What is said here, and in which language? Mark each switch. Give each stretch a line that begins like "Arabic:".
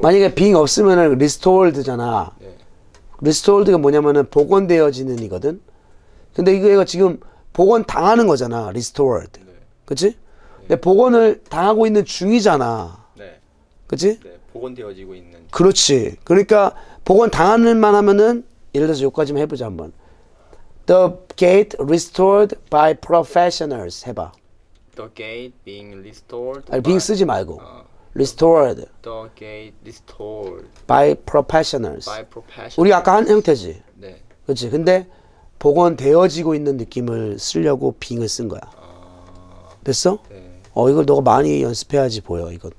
Korean: 만약에 being 없으면은 restored잖아. 네. restored가 뭐냐면은 복원되어지는 이거든. 근데 이거 지금 복원 당하는 거잖아. restored. 그치? 네. 근데 복원을 당하고 있는 중이잖아. 네. 그치? 네. 복원되어지고 있는. 중. 그렇지. 그러니까 복원 당하는 만 하면은 예를 들어서 여기까지만 해보자 한번.
English: The gate restored by professionals.
Korean: 해봐.
English: The gate being restored.
Korean: 아니, being 쓰지 말고.
English: Restored. The gate restored. By professionals. By professionals.
Korean: 우리 아까 한 형태지. 네. 그치. 근데 복원되어지고 있는 느낌을 쓰려고 being을 쓴 거야. 됐어? 네. 이걸 너가 많이 연습해야지 보여, 이거.